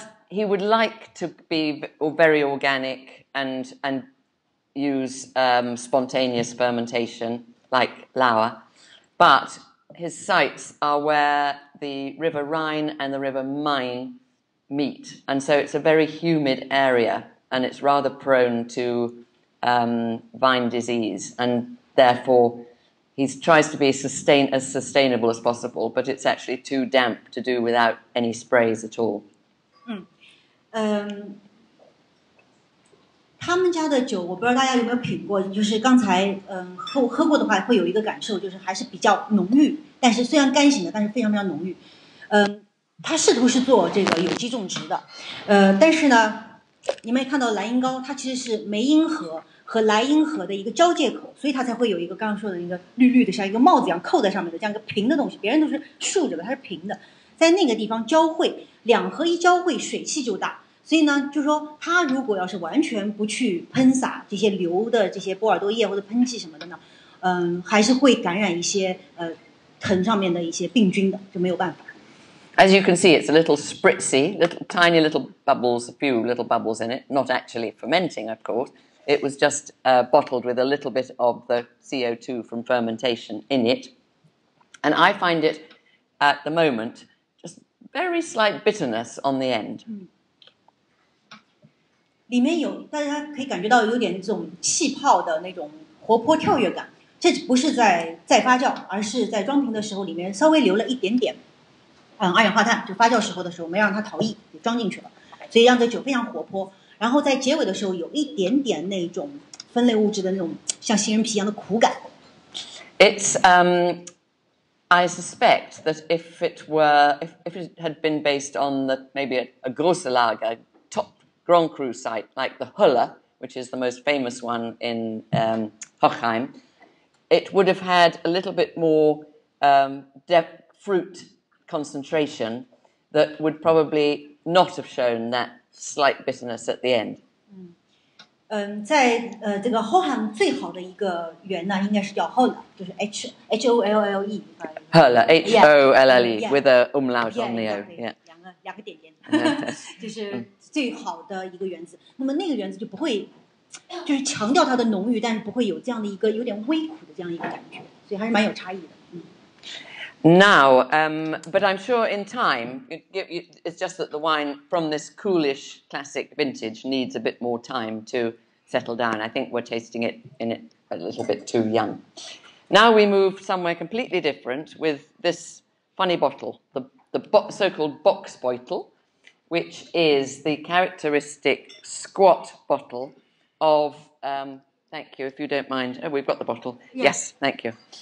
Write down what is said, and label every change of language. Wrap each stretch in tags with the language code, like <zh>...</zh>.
<en>He would like to be very organic and use spontaneous fermentation like Lauer, but his sites are where the River Rhine and the River Main meet, and so it's a very humid area and it's rather prone to. Vine disease, and therefore he tries to be as sustainable as possible, but it's actually too damp to do without any sprays at all.</en> <zh>他们家的酒我不知道大家有没有品过，就是刚才喝过的话会有一个感受，就是还是比较浓郁，但是虽然干型的，但是非常非常浓郁。他试图是做这个有机种植的，但是呢。你们也看到莱茵高，它其实是梅茵河和莱茵河的一个交界口，所以它才会有一个刚刚说的一个绿绿的，像一个帽子一样扣在上面的这样一个平的东西。别人都是竖着的，它是平的，在那个地方交汇，两河一交汇，水汽就大。所以呢，就是说它如果要是完全不去喷洒这些流的这些波尔多液或者喷剂什么的呢，还是会感染一些藤上面的一些病菌的，就没有办法。</zh> <en>As you can see, it's a little spritzy, little tiny little bubbles, a few little bubbles in it, not actually fermenting, of course. It was just bottled with a little bit of the CO2 from fermentation in it. And I find it, at the moment, just very slight bitterness on the end.</en> <zh>里面有，大家可以感觉到有点这种气泡的那种活泼跳跃感。这不是在发酵，而是在装瓶的时候里面稍微留了一点点。二氧化碳就发酵时候的时候没让它逃逸，也装进去了，所以让这酒非常活泼。然后在结尾的时候有一点点那种分类物质的那种像杏仁皮一样的苦感。</zh> <en>It's I suspect that if it had been based on the maybe a Grosse Lager top Grand Cru site like the Huller, which is the most famous one in Hochheim, it would have had a little bit more depth fruit. Concentration that would probably not have shown that slight bitterness at the end.</en> <zh>在这个 Hohan 最好的一个园呢，应该是叫 Holle， 就是 H O L L E。</zh> <en>Holle H O L L E with a umlaut on the O，</en> <zh>两个点点，就是最好的一个园子。那么那个园子就不会，就是强调它的浓郁，但是不会有这样的一个有点微苦的这样一个感觉，所以还是蛮有差异的。</zh> <en>Now, but I'm sure in time, it's just that the wine from this coolish classic vintage needs a bit more time to settle down. I think we're tasting it in it a little bit too young. Now we move somewhere completely different with this funny bottle, the so-called Bocksbeutel, which is the characteristic squat bottle of, thank you, if you don't mind. Oh, we've got the bottle. Yes, yes thank you.</en>